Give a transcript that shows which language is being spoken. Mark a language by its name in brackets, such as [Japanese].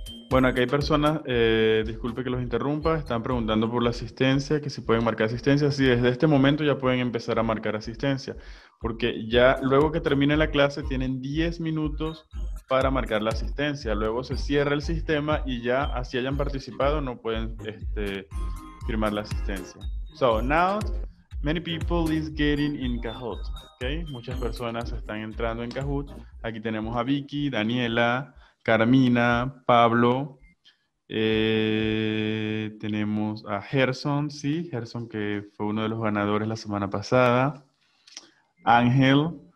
[Spanish] Bueno, aquí hay personas, disculpe que los interrumpa, están preguntando por la asistencia, que si pueden marcar asistencia. Sí, desde este momento ya pueden empezar a marcar asistencia, porque ya luego que termine la clase tienen 10 minutos para marcar la asistencia. Luego se cierra el sistema y ya, así hayan participado, no pueden firmar la asistencia. [English] So, now, many people is getting in Kahoot, okay? [Spanish] Muchas personas están entrando en Kahoot. Aquí tenemos a Vicky, Daniela, Carmina, Pablo, tenemos a Gerson, sí, Gerson que fue uno de los ganadores la semana pasada, Ángel,